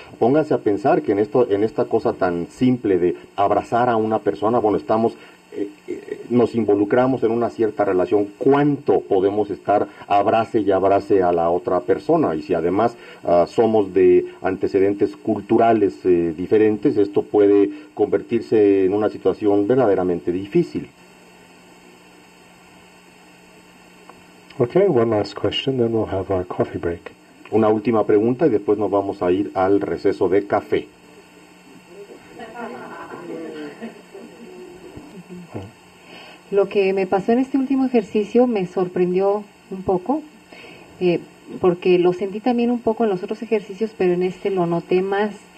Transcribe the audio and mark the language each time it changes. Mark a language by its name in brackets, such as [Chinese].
[Spanish] Pónganse a pensar que en esta cosa tan simple de abrazar a una persona, bueno, estamos nos involucramos en una cierta relación, ¿cuánto podemos estar abrace y abrace a la otra persona? Y si además somos de antecedentes culturales diferentes, esto puede convertirse en una situación verdaderamente difícil. [English] Okay, one last question, then we'll have our coffee break. [Spanish] Una última pregunta y después nos vamos a ir al receso de café. Lo que me pasó en este último ejercicio me sorprendió un poco, porque lo sentí también un poco en los otros ejercicios, pero en este lo noté más,